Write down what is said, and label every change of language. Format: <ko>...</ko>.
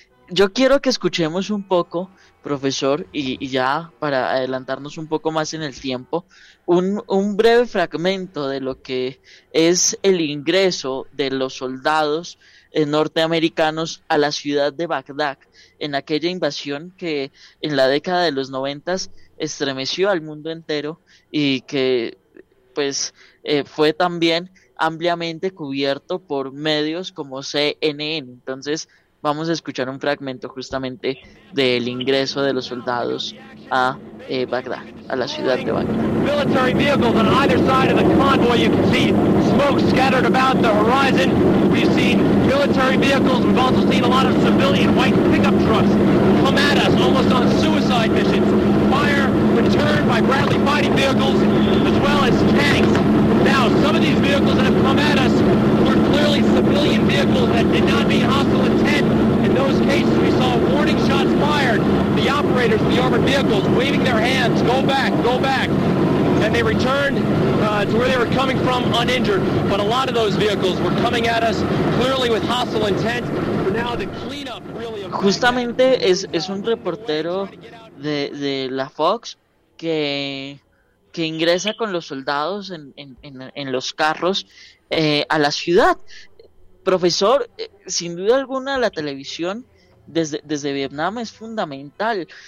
<es>Yo quiero que escuchemos un poco, profesor, y ya para adelantarnos un poco más en el tiempo, un breve fragmento de lo que es el ingreso de los soldados norteamericanos a la ciudad de Bagdad, en aquella invasión que en la década de los 90 estremeció al mundo entero y que pues fue también ampliamente cubierto por medios como CNN. Entonces, vamos a escuchar un fragmento justamente del ingreso de los soldados a Bagdad, a la ciudad de Bagdad.</es> <en>Military vehicles on either side of the convoy. You can see smoke scattered about the horizon. We've seen military vehicles. We've also seen a lot of civilian white pickup trucks come at us almost on suicide missions. Fire returned by Bradley fighting vehicles as well as tanks. Now, some of these vehicles that have come at us were clearly civilian vehicles that did not mean hostile intent. In those cases, we saw warning shots fired. The operators of the armored vehicles waving their hands, go back, go back. And they returned to where they were coming from uninjured. But a lot of those vehicles were coming at us clearly with hostile intent. For now, the cleanup really...</en> <es>Justamente es un reportero de la Fox que ingresa con los soldados en los carros a la ciudad. Profesor, sin duda alguna la televisión desde Vietnam es fundamental.</es>